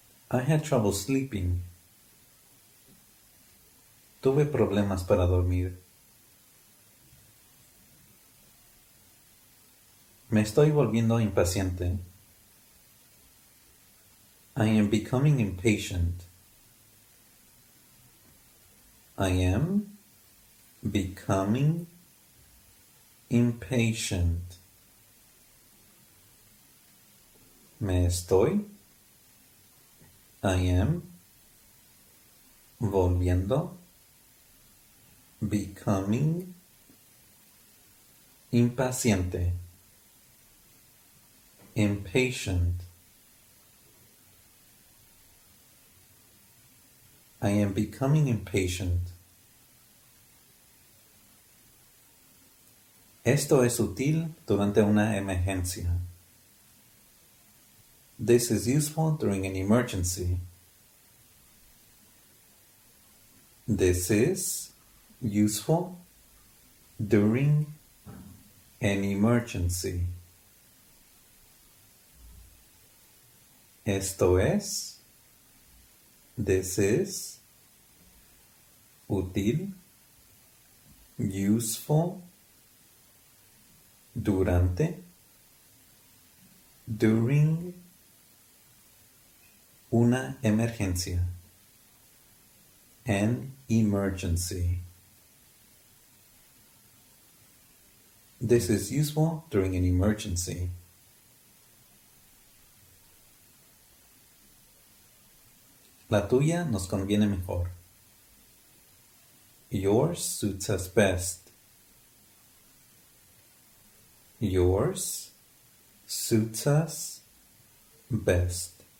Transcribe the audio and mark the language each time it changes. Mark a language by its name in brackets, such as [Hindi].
[English] I had trouble sleeping. [Spanish] Tuve problemas para dormir. Me estoy volviendo impaciente. [English] I am becoming impatient. I am becoming impatient. [Spanish] Me estoy. [English] I am [Spanish] volviendo, [English] becoming [Spanish] impaciente, [English] impatient. I am becoming impatient. [Spanish] Esto es útil durante una emergencia. [English] This is useful during an emergency. This is useful during an emergency. [Spanish] Esto es, [English] this is [Spanish] útil, [English] useful, [Spanish] durante, [English] during [Spanish] una emergencia. [English] An emergency. This is useful during an emergency. [Spanish] La tuya nos conviene mejor. [English] Yours suits us best. Yours suits us best.